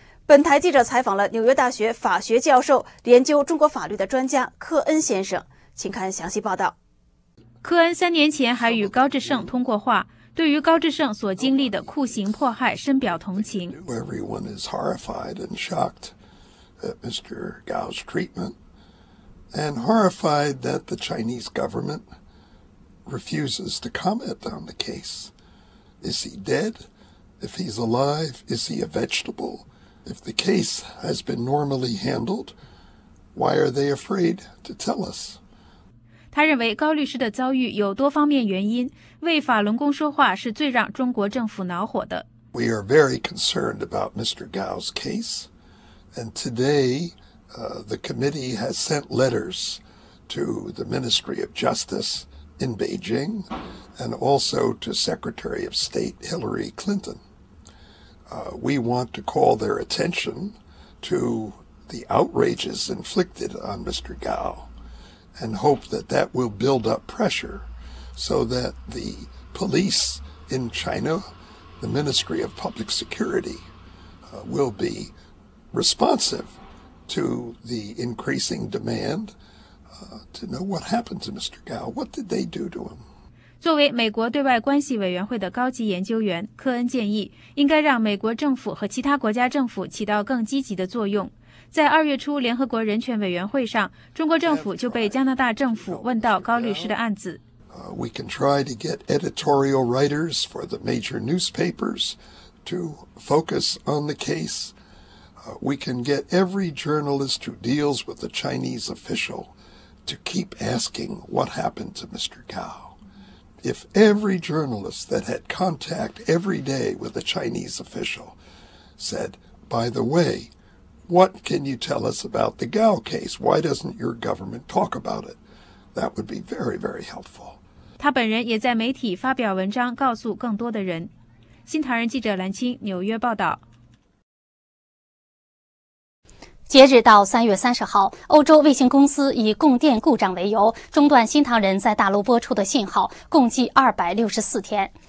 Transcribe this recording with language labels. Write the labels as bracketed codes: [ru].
[zh] 本台记者采访了纽约大学法学教授、研究中国法律的专家科恩先生，请看详细报道。科恩3年前还与高志胜通过话，对于高志胜所经历的酷刑迫害深表同情。 [en] Everyone is horrified and shocked at Mr. Gao's treatment and horrified that the Chinese government refuses to comment on the case. Is he dead? If he's alive, is he a vegetable? If the case has been normally handled, why are they afraid to tell us? [zh] 他认为高律师的遭遇有多方面原因，为法轮功说话是最让中国政府恼火的。 [en] We are very concerned about Mr. Gao's case, and today, the committee has sent letters to the Ministry of Justice in Beijing, and also to Secretary of State Hillary Clinton. We want to call their attention to the outrages inflicted on Mr. Gao, and hope that that will build up pressure so that the police in China, the Ministry of Public Security, will be responsive to the increasing demand, to know what happened to Mr. Gao. What did they do to him? [zh] 作为美国对外关系委员会的高级研究员，科恩建议应该让美国政府和其他国家政府起到更积极的作用。在二月初联合国人权委员会上，中国政府就被加拿大政府问到高律师的案子。 [en] We can try to get editorial writers for the major newspapers to focus on the case. We can get every journalist who deals with the Chinese official to keep asking what happened to Mr. Gao. If every journalist that had contact every day with a Chinese official said, by the way,What can you tell us about the Gao case? Why doesn't your government talk about it? That would be very, very helpful. [zh] 他本人也在媒体发表文章，告诉更多的人。新唐人记者蓝青，纽约报道。截止到3月30号，欧洲卫星公司以供电故障为由中断新唐人在大陆播出的信号，共计264天。